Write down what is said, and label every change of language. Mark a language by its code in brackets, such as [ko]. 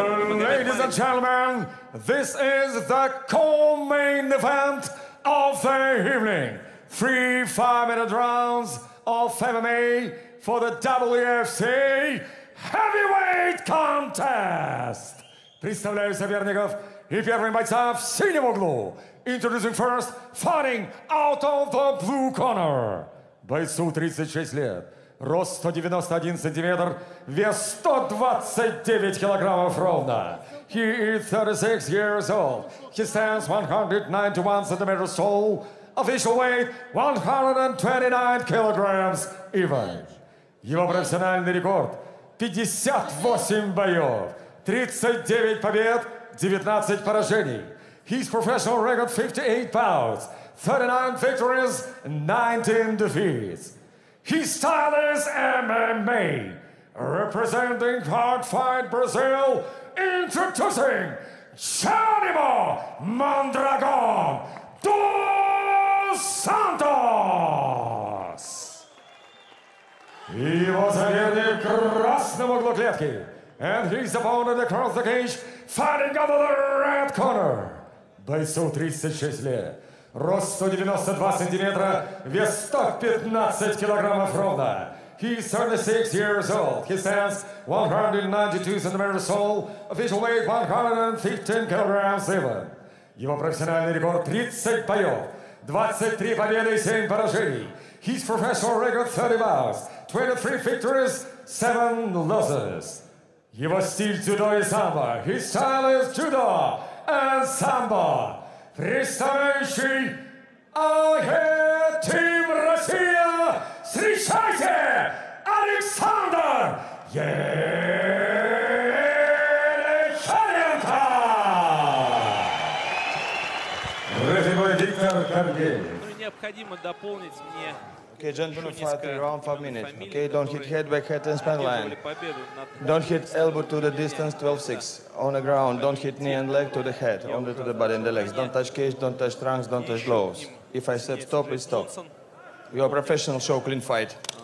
[en] Gentlemen, this is the co-main event of the evening. Three five-minute rounds of MMA for the WFC Heavyweight Contest. [ru] Представляю соперников и первый бойца в синем углу. [en] Introducing first, fighting out of the blue corner. [ru] Бойцу 36 лет. Рост 191 сантиметр, вес 129 килограммов ровно. [en] He is 36 years old. He stands 191 centimeters tall. Official weight 129 kilograms even. [ru] Его профессиональный рекорд 58 боев, 39 побед, 19 поражений. [en] His professional record 58 bouts, 39 victories, 19 defeats. His style is MMA. Representing Hard Fight Brazil, introducing Jerônimo Mondragon dos Santos. [ru] Его соперник в красном углу клетки. [en] And his opponent across the cage, fighting out of the red corner. [ru] Бойцу 36 лет. Рост 192 сантиметра, вес 115 килограммов ровно. [en] He is 36 years old. He stands 192 centimeters tall. Official weight 115 kilograms even. [ru] Его профессиональный рекорд 30 боев, 23 победы и 7 поражений. [en] His professional record 30 bouts, 23 victories, 7 losses. [ru] Его стиль дзюдо и самбо. [en] His style is judo and samba. [ru] Представляющий Тим Россия, встречайте Александр Емельяненко! Рефери Виктор Каргеев. Необходимо дополнить мне. [en] Okay, gentlemen, fight around 5 minutes. Okay, don't hit head, back head, and spine line. Don't hit elbow to the distance, 12-6. On the ground, don't hit knee and leg to the head, only to the body and the legs. Don't touch cage, don't touch trunks, don't touch gloves. If I said stop, it's stop. You are professional, show clean fight.